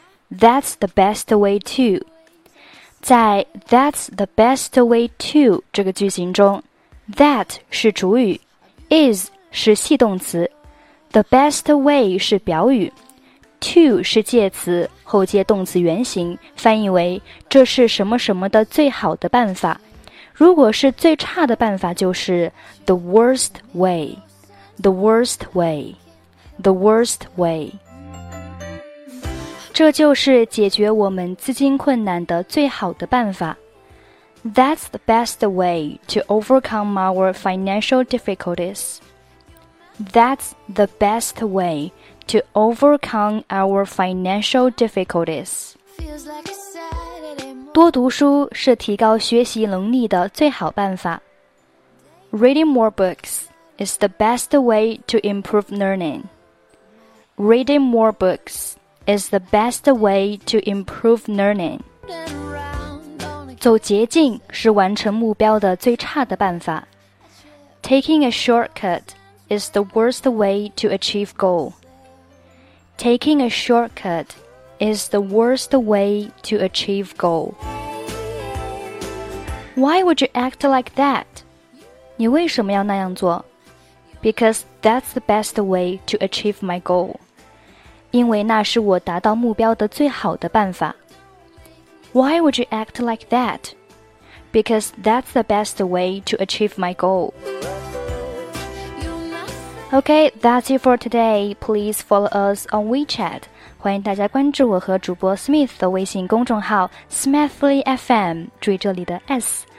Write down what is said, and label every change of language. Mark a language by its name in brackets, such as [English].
[English] That's the best way to. [Chinese] 在 That's the best way to 这个句型中 ，That 是主语 ，Is 是系动词 ，The best way 是表语 ，To 是介词，后接动词原形，翻译为这是什么什么的最好的办法。如果是最差的办法，就是 the worst way, the worst way, the worst way。这就是解决我们资金困难的最好的办法。 [English] That's the best way to overcome our financial difficulties. That's the best way to overcome our financial difficulties. [Chinese] 多读书是提高学习能力的最好办法。 [English] Reading more books is the best way to improve learning. Reading more books is the best way to improve learning. [Chinese] 走捷径是完成目标的最差的办法。 [English] Taking a shortcut is the worst way to achieve goal. Taking a shortcut is the worst way to achieve goal. Why would you act like that? [Chinese] 你为什么要那样做? [English] Because that's the best way to achieve my goal. [Chinese] 因为那是我达到目标的最好的办法。 [English] Why would you act like that? Because that's the best way to achieve my goal. Okay, that's it for today. Please follow us on WeChat. [Chinese] 欢迎大家关注我和主播 Smith 的微信公众号 Smithly FM, 注意这里的 S.